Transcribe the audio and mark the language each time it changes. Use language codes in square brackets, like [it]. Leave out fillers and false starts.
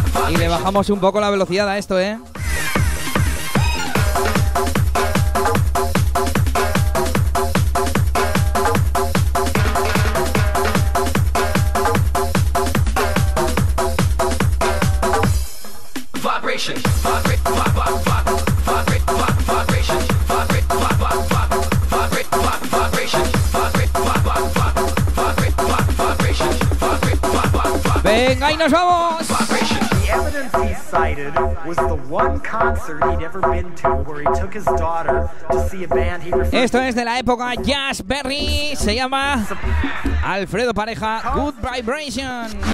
[es] Y le bajamos un poco la velocidad a esto, Venga, y nos vamos. [en] The evidence he cited was the one concert he'd ever been to where he took his daughter to see a band he referred to. [es] Esto es de la época Jazz Berry, se llama Alfredo Pareja, Good Vibration.